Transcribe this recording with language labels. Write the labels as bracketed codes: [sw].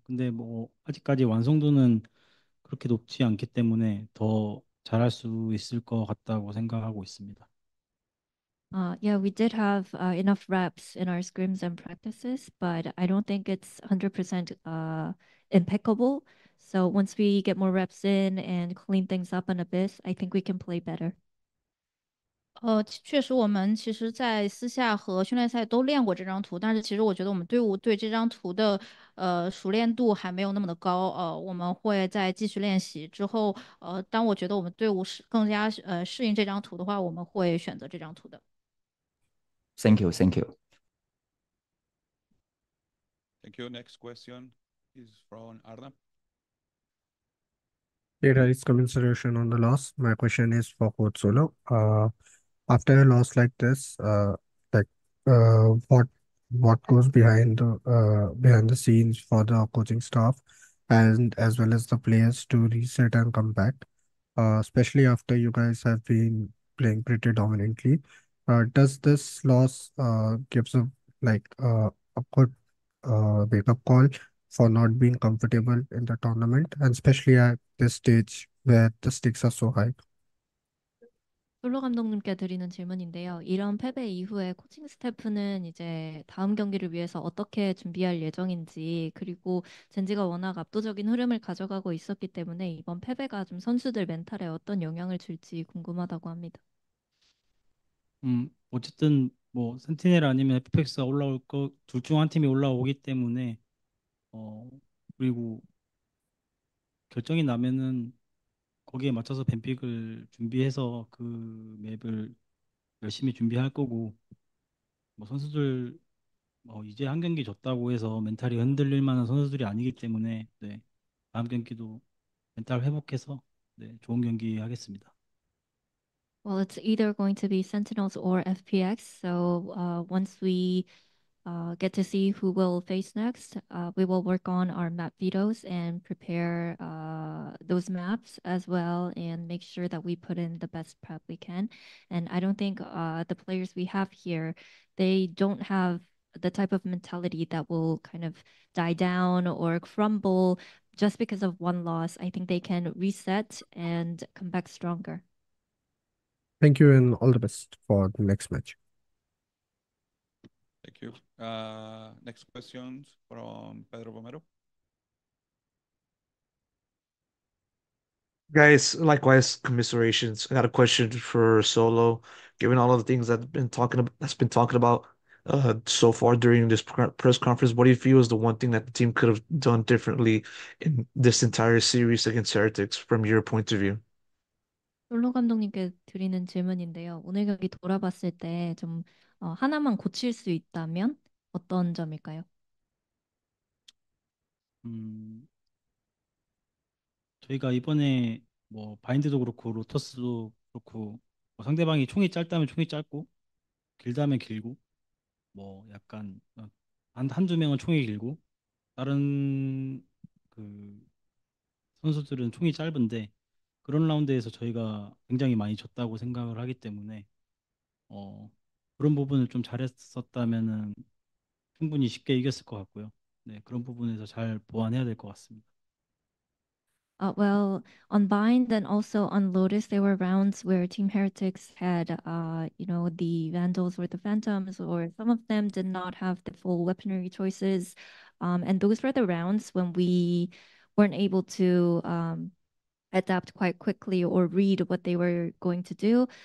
[ko] 근데 뭐 아직까지 완성도는 그렇게 높지 않기 때문에 더 잘할 수 있을 것 같다고 생각하고 있습니다. [en] Yeah, we did have enough reps in our scrims and practices, but I don't think it's 100% impeccable. So once we get more reps in and clean things up on Abyss, I think we can play better. [zh] 确实，我们其实，在私下和训练赛都练过这张图，但是其实我觉得我们队伍对这张图的熟练度还没有那么的高。我们会再继续练习之后，当我觉得我们队伍是更加适应这张图的话，我们会选择这张图的。 [en] Thank you. Thank you. Next question is from Arna. Data is commiseration on the loss. My question is for Coach Solo. After a loss like this, what goes behind the scenes for the coaching staff and as well as the players to reset and come back, especially after you guys have been playing pretty dominantly. Does this loss gives a a good wake-up call for not being comfortable in the tournament, and especially at this stage where the stakes are so high? [ko] 솔로 감독님께 드리는 질문인데요. 이런 패배 이후에 코칭 스태프는 이제 다음 경기를 위해서 어떻게 준비할 예정인지, 그리고 젠지가 워낙 압도적인 흐름을 가져가고 있었기 때문에 이번 패배가 좀 선수들 멘탈에 어떤 영향을 줄지 궁금하다고 합니다. 어쨌든 뭐 센티넬 아니면 에피펙스가 올라올 거둘중한 팀이 올라오기 때문에 그리고 결정이 나면은 거기에 맞춰서 뱀픽을 준비해서 그 맵을 열심히 준비할 거고 뭐 선수들 뭐 이제 한 경기 졌다고 해서 멘탈이 흔들릴 만한 선수들이 아니기 때문에 네. 다음 경기도 멘탈 회복해서 네. 좋은 경기 하겠습니다. [en] Well, it's either going to be Sentinels or FPX. So once we get to see who we'll face next, we will work on our map vetoes and prepare those maps as well and make sure that we put in the best prep we can. And I don't think the players we have here, they don't have the type of mentality that will kind of die down or crumble just because of one loss. I think they can reset and come back stronger. Thank you and all the best for the next match. Thank you. Next questions from Pedro Romero. Guys, likewise, commiserations. I got a question for Solo. Given all of the things that's been talking about so far during this press conference, what do you feel is the one thing that the team could have done differently in this entire series against Heretics from your point of view? [ko] 솔로 감독님께 드리는 질문인데요. 오늘 경기 돌아봤을 때좀 하나만 고칠 수 있다면 어떤 점일까요? 저희가 이번에 뭐 바인드도 그렇고 로터스도 그렇고 뭐 상대방이 총이 짧다면 총이 짧고 길다면 길고 뭐 약간 한두 명은 총이 길고 다른 그 선수들은 총이 짧은데 그런 라운드에서 저희가 굉장히 많이 졌다고 생각을 하기 때문에 그런 부분을 좀 잘했었다면은 충분히 쉽게 이겼을 것 같고요. 네, 그런 부분에서 잘 보완해야 될것 같습니다. [en] Well, on Bind and also on Lotus, there were rounds where Team Heretics had, the Vandals or the Phantoms, or some of them did not have the full weaponry choices. And those were the rounds when we weren't able to adapt quite quickly or read what they were going to do.